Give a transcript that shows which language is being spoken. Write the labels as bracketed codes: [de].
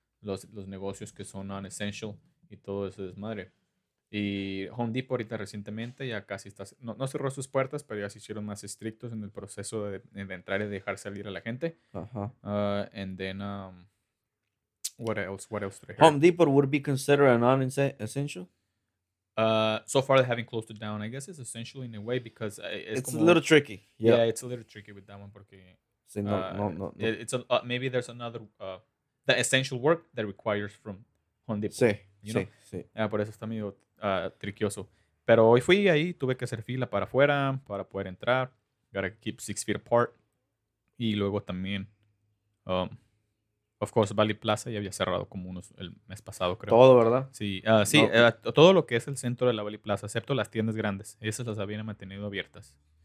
[es] Los negocios que son non-essential y todo ese desmadre. Y Home Depot ahorita recientemente ya casi está... No cerró sus puertas, pero ya se hicieron más estrictos en el proceso de entrar y dejar salir a la gente. Uh-huh. [en] And then... What else did I hear? Home Depot would be considered a non-essential? So far, they haven't closed it down. I guess it's essential in a way because... it's como, a little tricky. Yeah, it's a little tricky with that one porque... maybe there's another... the essential work that requires from Home Depot. [es] Sí, [en] you know? [es] Sí. Por eso está medio tricioso. Pero hoy fui ahí, tuve que hacer fila para afuera, para poder entrar. [en] Gotta keep 6 feet apart. [es] Y luego también, [en] of course, [es] Valley Plaza ya había cerrado como unos el mes pasado, creo. Todo, ¿verdad? Sí, sí no. Todo lo que es el centro de la Valley Plaza, excepto las tiendas grandes. Esas las habían mantenido abiertas.